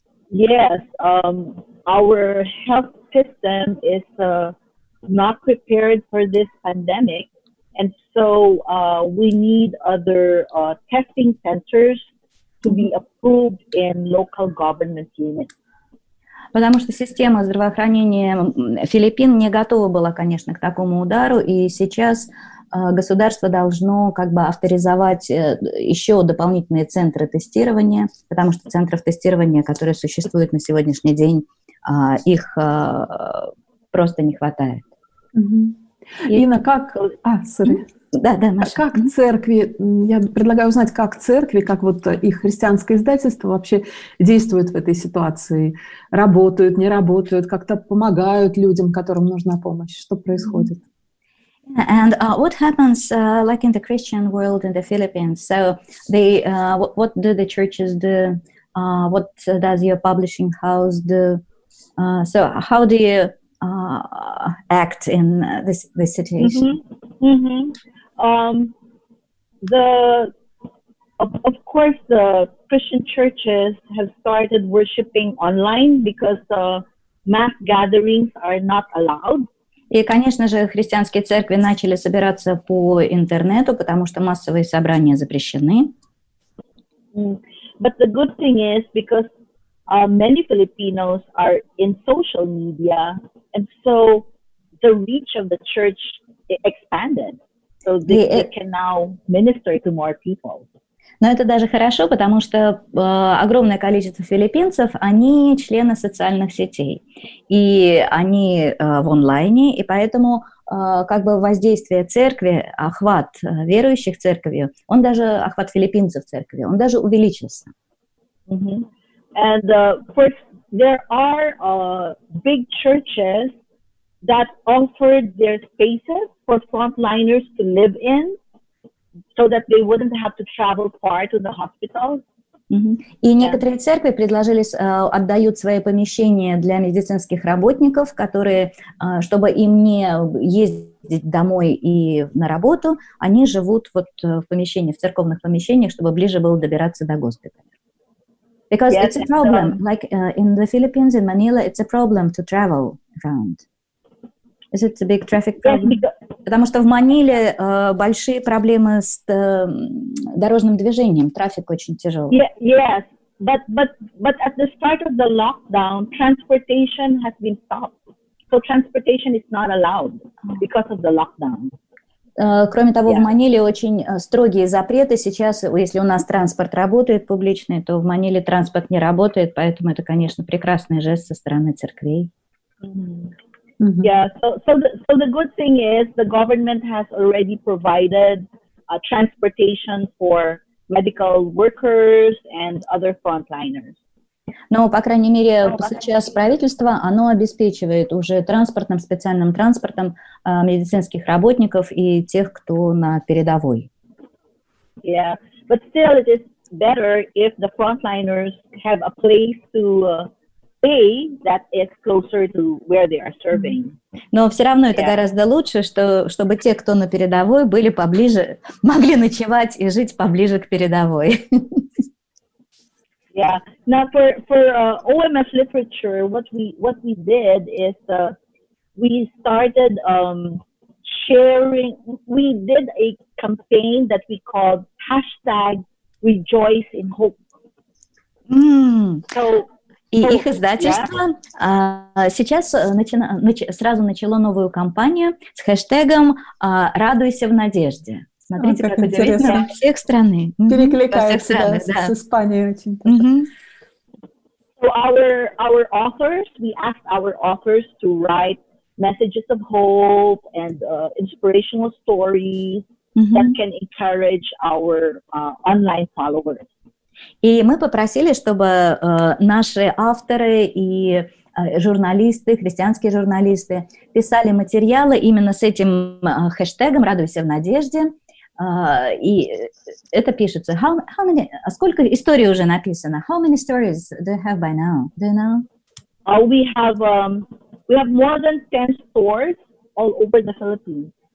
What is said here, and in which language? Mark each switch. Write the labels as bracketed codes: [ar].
[en] Yes, our health system is not prepared for this pandemic, and so we need other testing centers to be approved in local government units. [ru] Потому что система здравоохранения Филиппин не готова была, конечно, к такому удару, и сейчас государство должно как бы авторизовать еще дополнительные центры тестирования, потому что центров тестирования, которые существуют на сегодняшний день, их просто не хватает. Mm-hmm. Инна, как... А, сори. Да, Маша. Как церкви, я предлагаю узнать, как церкви, как вот их христианское издательство вообще действует в этой ситуации? Работают, не работают, как-то помогают людям, которым нужна помощь? Что происходит? [en] And what happens like in the Christian world in the Philippines? So they what do the churches do? What does your publishing house do? So how do you act in this situation? Mm-hmm. Mm-hmm. Of course, the Christian churches have started worshiping online because mass gatherings are not allowed. [ru] И, конечно же, христианские церкви начали собираться по интернету, потому что массовые собрания запрещены. [en] But the good thing is because many Filipinos are in social media, and so the reach of the church expanded. So they can now minister to more people. [ru] Но это даже хорошо, потому что огромное количество филиппинцев, они члены социальных сетей, и они в онлайне, и поэтому как бы воздействие церкви, охват верующих церковью, он даже, охват филиппинцев церкви, он даже увеличился. Mm-hmm. [en] And of course, there are big churches that offered their spaces for frontliners to live in, so that they wouldn't have to travel far to the hospital. Mm-hmm. [ru] И некоторые церкви предложили, отдают свои помещения для медицинских работников, которые, чтобы им не ездить домой и на работу, они живут вот в помещении, в церковных помещениях, чтобы ближе было добираться до госпиталя. [en] Because yes, it's a problem, like in the Philippines, in Manila, it's a problem to travel around. Is it a big traffic problem? Yes, because... [ru] Потому что в Маниле большие проблемы с дорожным движением. Трафик очень тяжелый. [en] Yes, but at the start of the lockdown, transportation has been stopped. So transportation is not allowed because of the lockdown. [ru] Кроме того, yeah. В Маниле очень строгие запреты. Сейчас, если у нас транспорт работает публичный, то в Маниле транспорт не работает, поэтому это, конечно, прекрасный жест со стороны церквей. Mm-hmm. Mm-hmm. [en] Yeah, so the good thing is the government has already provided transportation for medical workers and other frontliners. [ru] Но, по крайней мере, сейчас правительство, оно обеспечивает уже транспортным, специальным транспортом медицинских работников и тех, кто на передовой. [en] Yeah, but still it is better if the frontliners have a place to... that is closer to where they are serving. [ru] Но все равно это гораздо лучше, чтобы те, кто на передовой, были поближе, могли ночевать и жить поближе к передовой. [en] Yeah. Now for OMS literature, what we did is we started sharing. We did a campaign that we called #RejoiceInHope. Mm. So. [ru] И их издательство сейчас сразу начало новую кампанию с хэштегом «Радуйся в надежде». Смотрите, как интересно. Со всех стран. Перекликается, да, с Испанией очень. [en] So our authors, we asked our authors to write messages of hope and inspirational stories that can encourage our online followers. [ru] И мы попросили, чтобы наши авторы и журналисты, христианские журналисты, писали материалы именно с этим хэштегом «Радуйся в надежде». И это пишется. [en] How many, [ru] сколько историй уже написано? [en] How many stories do you have by now? Do you know? We have more than 10 stories all over the Philippines.